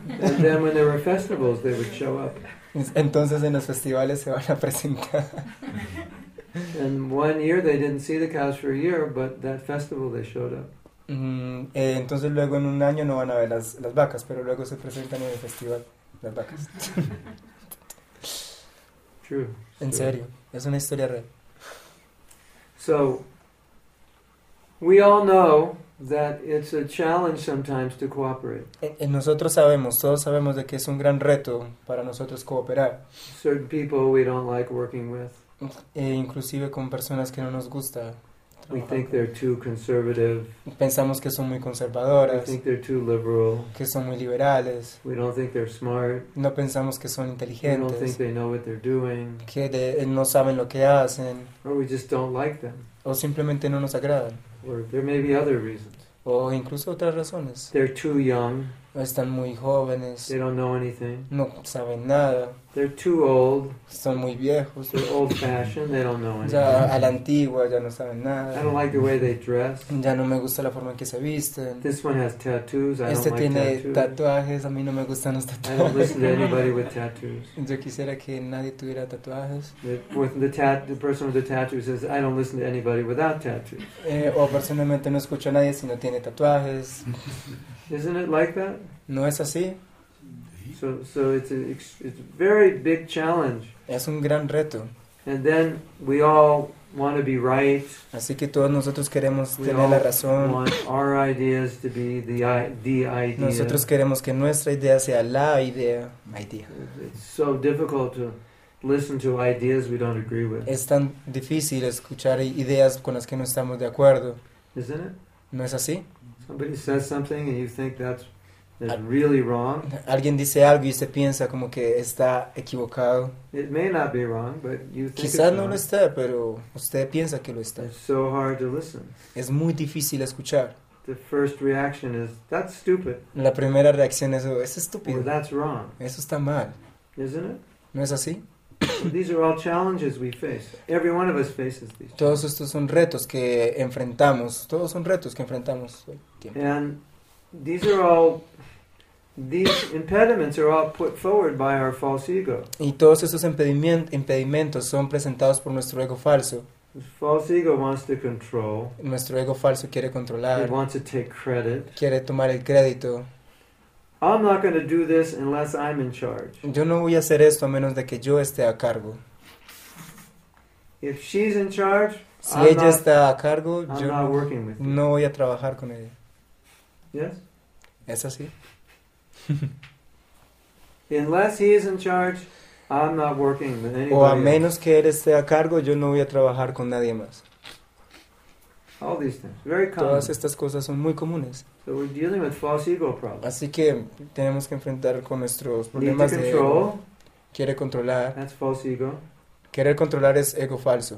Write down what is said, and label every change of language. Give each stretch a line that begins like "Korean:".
English: And then when there were festivals, they would show up.
Spanish: Entonces en los festivales se van a presentar.
English: And one year they didn't see the cows for a year, but that festival they showed up.
Spanish: Entonces luego en un año no van a ver las vacas, pero luego se presentan en el festival. Las vacas.
English: True.
Spanish: En serio, es una historia real.
English: So, we all know that it's a challenge sometimes to cooperate.
Spanish: Nosotros sabemos, todos sabemos de que es un gran reto para nosotros cooperar.
English: Certain people we don't like working with.
Spanish: Inclusive con personas que no nos gusta.
English: We think they're too conservative.
Spanish: Pensamos que son muy conservadoras.
English: We think they're too liberal.
Spanish: Que son muy liberales.
English: We don't think they're smart.
Spanish: No pensamos que son inteligentes.
English: We don't think they know what they're doing.
Spanish: No saben lo que hacen.
English: Or we just don't like them.
Spanish: O simplemente no nos agradan.
English: Or there may be other reasons.
Spanish: O incluso otras razones.
English: They're too young.
Spanish: O están muy jóvenes.
English: They don't know anything.
Spanish: No saben nada.
English: They're too old.
Spanish: Son muy viejos.
English: They're old fashioned. They don't know anything.
Spanish: Ya a la antigua, ya no saben nada.
English: I don't like the way they dress.
Spanish: Ya no me gusta la forma en que se visten.
English: This one has tattoos.
Spanish: Tiene
English: tattoos.
Spanish: Tatuajes. A mí no me gustan los tatuajes.
English: I don't listen to anybody with tattoos.
Spanish: Yo quisiera que nadie tuviera tatuajes.
English: The person with the tattoo says, I don't listen to anybody without tattoos.
Spanish: O personalmente no escucho a nadie si no tiene tatuajes.
English: Isn't it like that?
Spanish: ¿No es así?
English: So it's a very big challenge.
Spanish: Es un gran reto.
English: And then we all want to be right.
Spanish: Así que todos nosotros queremos tener la razón.
English: We want our ideas to be the idea.
Spanish: Nosotros queremos que nuestra idea sea la idea.
English: Idea. It's so difficult to listen to ideas we don't agree with.
Spanish: Es tan difícil escuchar ideas con las que no estamos de acuerdo.
English: Isn't it?
Spanish: ¿No es así?
English: Somebody says something and you think that's really wrong.
Spanish: Alguien dice algo y se piensa como que está equivocado.
English: It may not be wrong, but you think
Spanish: quizás
English: it's
Spanish: no
English: wrong.
Spanish: Lo esté, pero usted piensa que lo está.
English: It's so hard to listen.
Spanish: Es muy difícil escuchar.
English: The first reaction is, that's stupid.
Spanish: La primera reacción es, oh, es estúpido.
English: Well, that's wrong.
Spanish: Eso está mal.
English: Isn't it?
Spanish: ¿No es así?
English: These are all challenges we face. Every one of us faces these.
Spanish: Todos estos son retos que enfrentamos. Todos son retos que enfrentamos el tiempo.
English: And these are all, these impediments are all put forward by our false ego.
Spanish: Y todos esos impedimentos son presentados por nuestro ego falso.
English: False ego wants to control.
Spanish: Nuestro ego falso quiere controlar.
English: It wants to take credit.
Spanish: Quiere tomar el crédito.
English: I'm not going to do this unless I'm in charge.
Spanish: Yo no voy a hacer esto a menos de que yo esté a cargo.
English: If she's in charge,
Spanish: si
English: I'm
Spanish: ella
English: not,
Spanish: está a cargo,
English: I'm
Spanish: yo
English: not working with
Spanish: no voy a trabajar con ella.
English: Yes?
Spanish: ¿Es así?
English: Unless he is in charge, I'm not working with anybody.
Spanish: O a menos
English: else.
Spanish: Que él esté a cargo, yo no voy a trabajar con nadie más.
English: All these things, very common.
Spanish: Todas estas cosas son muy comunes.
English: So we're dealing with false ego problems.
Spanish: Así que tenemos que enfrentar con nuestros problemas de control. Ego. Quiere controlar.
English: That's false ego.
Spanish: Querer controlar es ego falso.